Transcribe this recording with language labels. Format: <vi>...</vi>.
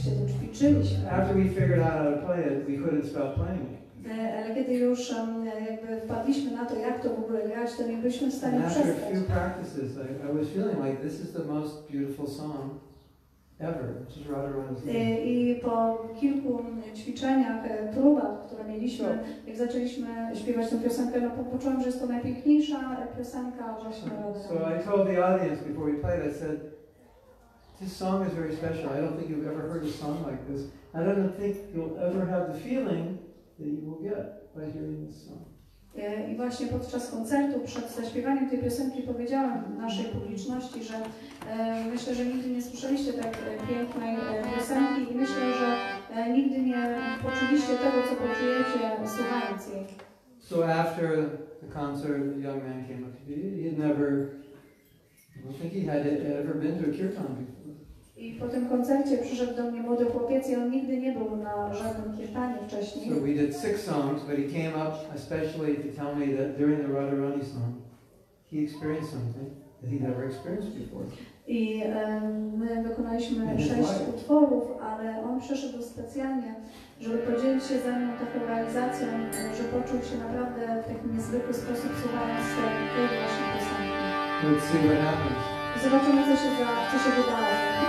<en>After we figured out how to play it, we couldn't stop playing it.</en> <pl>Ale kiedy już jakby wpadliśmy na to, jak to w ogóle grać, to nie byliśmy w stanie przestać.</pl> <en>After a few practices, I was feeling like this is the most beautiful song ever. Just Radharani's name.</en> <pl>I po kilku ćwiczeniach, próbach, które mieliśmy, jak zaczęliśmy śpiewać tę piosenkę, no poczułam, że jest to najpiękniejsza piosenka właśnie Radharani.</pl> <en>So I told the audience before we played, I said, this song is very special. I don't think you've ever heard a song like this. I don't think you'll ever have the feeling that you will get by hearing this song.</en> <pl>I właśnie podczas koncertu, przed zaśpiewaniem tej piosenki powiedziałam naszej publiczności, że myślę, że nigdy nie słyszeliście tak pięknej piosenki i myślę, że nigdy nie poczuliście tego, co poczujecie słuchając jej.</pl> <en>So after the concert, the young man came up to me. He had never, I don't think he had ever been to a kirtan before.</en> <pl>I po tym koncercie przyszedł do mnie młody chłopiec i on nigdy nie był na żadnym kirtanie wcześniej.</pl> <en>So we did six songs, but he came up especially to tell me that during the Radharani song, he experienced something that he never experienced before.</en> <pl>I my wykonaliśmy sześć utworów, ale on przyszedł specjalnie, żeby podzielić się ze mną taką realizacją, że poczuł się naprawdę w taki niezwykły sposób słuchając tej właśnie piosenki.</pl> <en>Let's see what happens.</en> <pl>Zobaczymy, co się wydarzy.</pl>